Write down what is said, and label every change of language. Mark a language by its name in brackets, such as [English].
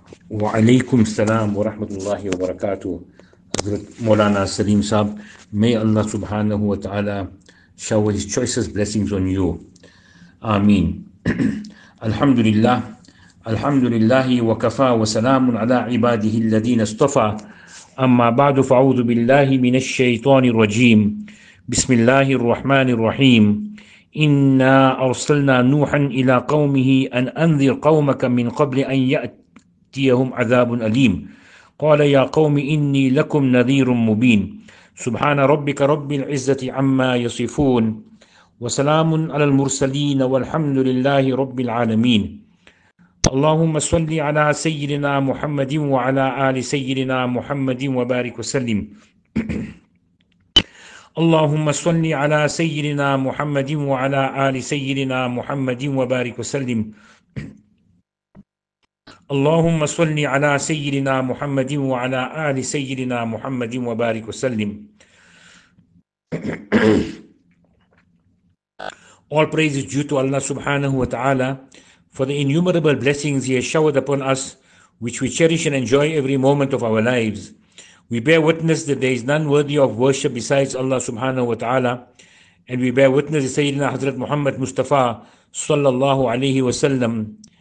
[Arabic] وعليكم السلام ورحمة الله وبركاته. [English] حضرت مولانا سليم صاحب, may Allah subhanahu wa ta'ala shower his choicest blessings on you. [Arabic] آمين. الحمد لله, الحمد لله وكفى وسلام على عباده الذين اصطفى, أما بعد فأعوذ بالله من الشيطان الرجيم, بسم الله الرحمن الرحيم. إنا أرسلنا نوحا إلى قومه أن أنذر قومك من قبل أن يأتي يهم عذاب أليم. قال يا قوم إني لكم نذير مبين. سبحان ربك رب العزة عما يصفون, وسلام على المرسلين, والحمد لله رب العالمين. اللهم صل على سيدنا محمد وعلى آل سيدنا محمد وبارك وسلم. اللهم صل على سيدنا محمد وعلى آل سيدنا محمد وبارك وسلم. اللهم صل على سيدنا محمد وعلى آل سيدنا محمد وبارك وسلم. [English] All praise is due to Allah subhanahu wa ta'ala for the innumerable blessings He has showered upon us, which we cherish and enjoy every moment of our lives. We bear witness that there is none worthy of worship besides Allah subhanahu wa ta'ala, and we bear witness to Sayyidina Hazrat Muhammad Mustafa sallallahu alayhi wa sallam.